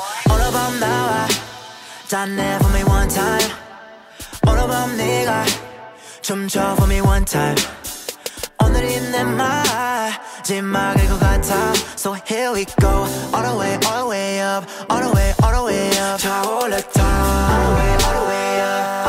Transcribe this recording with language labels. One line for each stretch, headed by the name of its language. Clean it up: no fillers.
English: All about
Korean: 나와
English: done it for me one time. All about
Korean: 네가 춤춰
English: for me one time.
Korean: 오늘이 내 마지막일 것 같아.
English: So here we go. All the way, all the way up. All the way, all the way up.
Korean: 차올랐다.
English: All the way, all the way up.